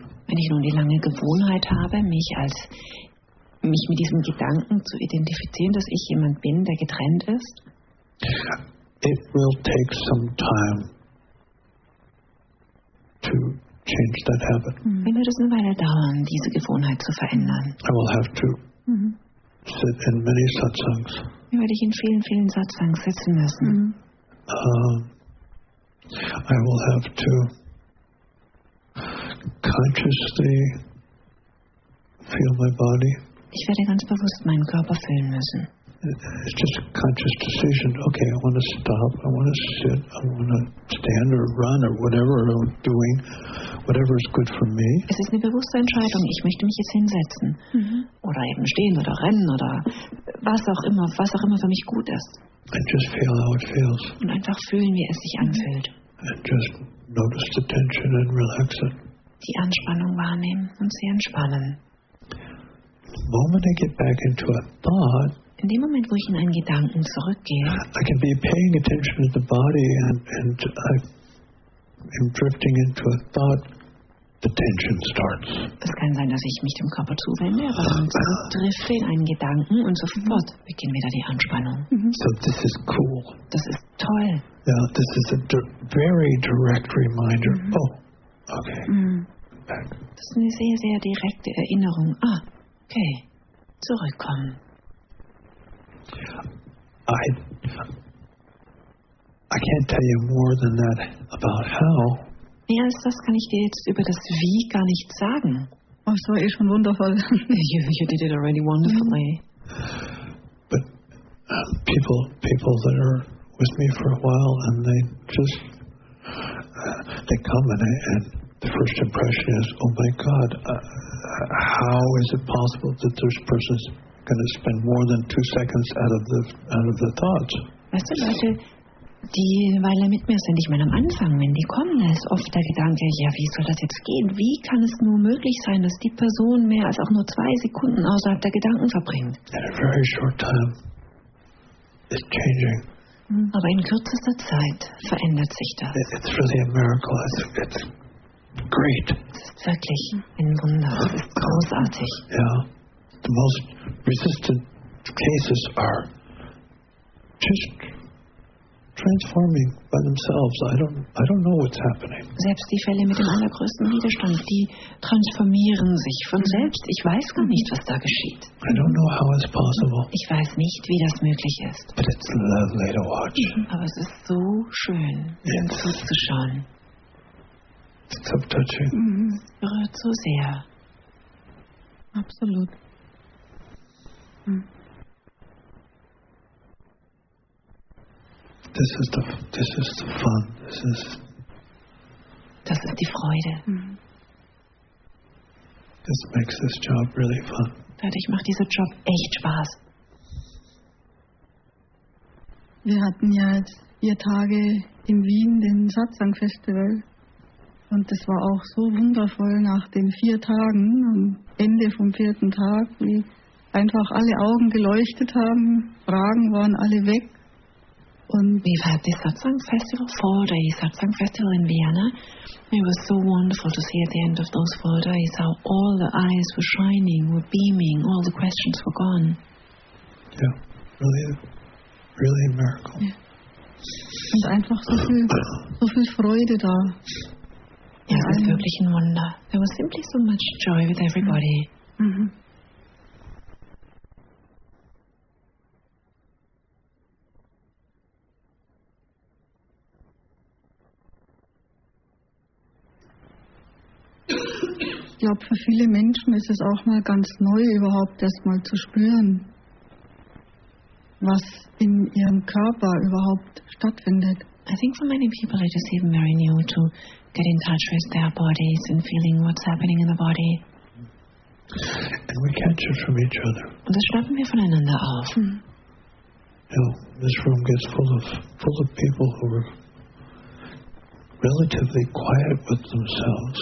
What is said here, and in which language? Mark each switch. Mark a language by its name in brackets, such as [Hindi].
[German] wenn ich nun die lange Gewohnheit habe, mich mit diesem Gedanken zu identifizieren, dass ich jemand bin, der getrennt ist, [English] it will take some time to change that habit. [German] Wenn wir das eine Weile dauern, diese Gewohnheit zu verändern. [English] I will have to sit in many satsangs. [German] Ich werde in vielen, vielen Satsangs sitzen müssen. [English] I will have to consciously feel my body. [German] Ich werde ganz bewusst meinen Körper fühlen müssen. [English] It's just a conscious decision. Okay, I want to stop. I want to sit. I want to stand or run or whatever I'm doing. Whatever is good for me. [German] Es ist eine bewusste Entscheidung. Ich möchte mich jetzt hinsetzen. Oder eben stehen oder rennen oder was auch immer für mich gut ist. [English] And just feel how it feels. [German] Und einfach fühlen, wie es sich anfühlt. [English] And just notice the tension and relax it. [German] Die Anspannung wahrnehmen und sie entspannen. [English] The moment I get back into a thought, [German] in dem Moment, wo ich in einen Gedanken zurückgehe, [English] I can be paying attention to the body and I am drifting into a thought, the tension starts. [German] Es kann sein, dass ich mich dem Körper zuwende, aber dann zurückdrifte in einen Gedanken und sofort beginnt wieder die Anspannung. [English] So this is cool. [German] Das ist toll. [English] Yeah, this is a very direct reminder. Oh, okay. [German] Das ist eine sehr, sehr direkte Erinnerung. Ah, okay. Zurückkommen. [English] I can't tell you more than that about how. [German] Mehr als das kann ich dir jetzt über das Wie gar nicht sagen. Das war eh schon wundervoll. [English] You did it already wonderfully. But people that are with me for a while, and they just they come and the first impression is, oh my God, how is it possible that this person's going to spend more than 2 seconds out of the thoughts? [German] Weißt du, Leute, die weil mit mir sind, ich meine am Anfang, wenn die kommen, ist oft der Gedanke, ja, wie soll das jetzt gehen? Wie kann es nur möglich sein, dass die Person mehr als auch nur 2 Sekunden außerhalb der Gedanken verbringt? [English] In a very short time, it's changing. [German] Aber in kürzester Zeit verändert sich das. [English] It's really a miracle. It's great. [German] Es ist wirklich ein Wunder. Es ist großartig. [English] Yeah. The most resistant cases are just transforming by themselves. I don't know what's happening. [German] Selbst die Fälle mit dem allergrößten Widerstand, die transformieren sich von selbst. Ich weiß gar nicht, was da geschieht. [English] I don't know how it's possible. [German] Ich weiß nicht, wie das möglich ist. [English] But it's lovely to watch. [German] Aber es ist so schön, zuzuschauen. [English] It's so touching. [German] Es berührt so sehr. Absolut. [English] This is the fun. [German] Das ist die Freude. [English] This makes this job really fun. [German] Dadurch macht dieser Job echt Spaß. Wir hatten ja jetzt 4 Tage in Wien den Satsang Festival und das war auch so wundervoll nach den 4 Tagen am Ende vom 4. Tag, wie einfach alle Augen geleuchtet haben, Fragen waren alle weg. [English] Und we had the Satsang Festival, 4 days Satsang Festival in Vienna. It was so wonderful to see at the end of those 4 days how all the eyes were shining, were beaming, all the questions were gone. Yeah, really a miracle. [German] Yeah. Und einfach so viel Freude da. Ja, es ist wirklich ein Wunder. [English] There was simply so much joy with everybody. Mm-hmm. [German] Ich glaube, für viele Menschen ist es auch mal ganz neu, überhaupt erstmal zu spüren, was in ihrem Körper überhaupt stattfindet. [English] I think for many people it is even very new to get in touch with their bodies and feeling what's happening in the body. And we catch it from each other. [German] Und das schnappen wir voneinander auf. [English] You know, this room gets full of people who are relatively quiet with themselves.